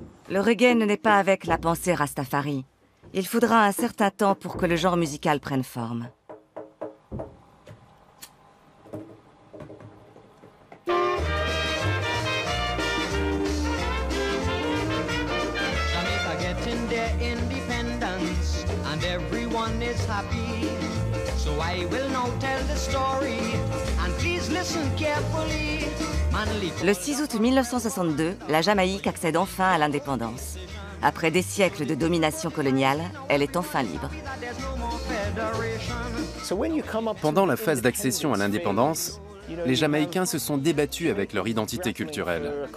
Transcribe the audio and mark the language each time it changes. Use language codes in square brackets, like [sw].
[fr] Le reggae ne naît pas avec la pensée Rastafari. Il faudra un certain temps pour que le genre musical prenne forme. [en] Jamaica getting their independence and everyone is happy. So I will now tell the story and please listen carefully. [fr] Le 6 août 1962, la Jamaïque accède enfin à l'indépendance. Après des siècles de domination coloniale, elle est enfin libre. Pendant la phase d'accession à l'indépendance, les Jamaïcains se sont débattus avec leur identité culturelle.